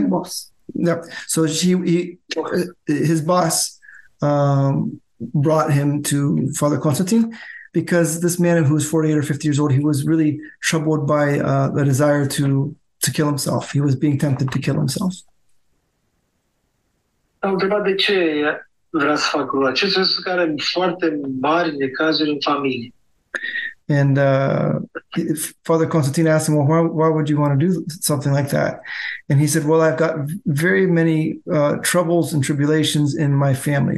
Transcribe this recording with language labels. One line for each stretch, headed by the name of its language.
English: Boss. Yeah. So his boss brought him to Father Constantine, because this man who was 48 or 50 years old, he was really troubled by the desire to kill himself. He was being tempted to kill himself.
Romanian: Am întrebat de ce vrea să facă lucrul acesta. Acest lucru care are foarte mari necazuri în familie.
English: And Father Constantine asked him, well, why would you want to do something like that? And he said, well, I've got very many troubles and tribulations in my family.